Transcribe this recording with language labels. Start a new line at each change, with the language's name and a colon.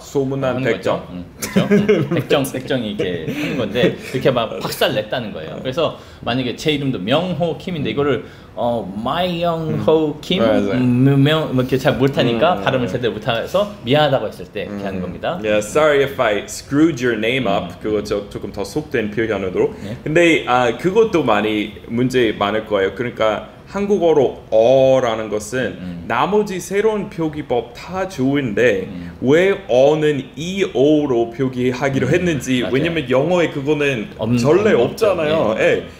Korean: 소문난 백정, 백정, 백정이 이렇게 하는 건데 이렇게 막 박살 냈다는 거예요. 그래서 만약에 제 이름도 명호 김인데 이거를 My Young Ho Kim 명 이렇게 잘 못하니까 발음을 제대로 못해서 미안하다고 했을 때 이렇게 하는 겁니다.
English: Yeah, sorry if I screwed your name up.
Korean: 그거 조금 더 속된 표현으로. 네? 근데 그것도 많이 문제 많을 거예요. 그러니까 한국어로 어라는 것은 나머지 새로운 표기법 다 좋은데 왜 어는 EO로 표기하기로 했는지 맞아요. 왜냐면 영어에 그거는 전례 없잖아요. 예. 네.